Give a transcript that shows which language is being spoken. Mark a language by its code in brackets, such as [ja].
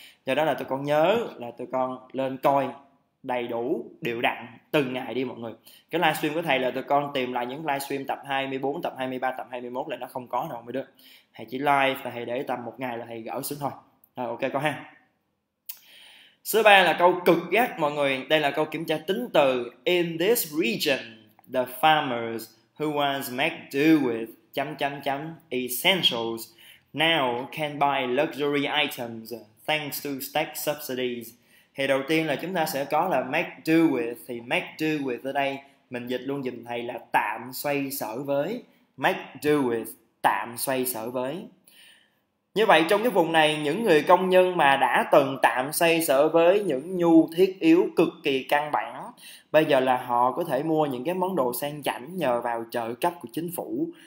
[vi] Do đó là tụi con nhớ là tụi con lên coi đầy đủ, đều đặn từng ngày đi mọi người. Cái livestream của thầy là tụi con tìm lại những livestream tập 24, tập 23, tập 21 là nó không có đâu mới được. Thầy chỉ live và thầy để tầm một ngày là thầy gỡ xuống thôi. Rồi ok con ha. Số 3 là câu cực gắt mọi người. Đây là câu kiểm tra tính từ. [en] In this region, the farmers who once make do with... ... essentials now can buy luxury items thanks to tax subsidies. [vi] Thì đầu tiên là chúng ta sẽ có là [en] make do with. [vi] Thì make do with ở đây mình dịch luôn dùm thầy là tạm xoay sở với. [en] Make do with, [vi] tạm xoay sở với. Như vậy trong cái vùng này, những người công nhân mà đã từng tạm xoay sở với những nhu thiết yếu cực kỳ căn bản, bây giờ là họ có thể mua những cái món đồ sang chảnh nhờ vào trợ cấp của chính phủ.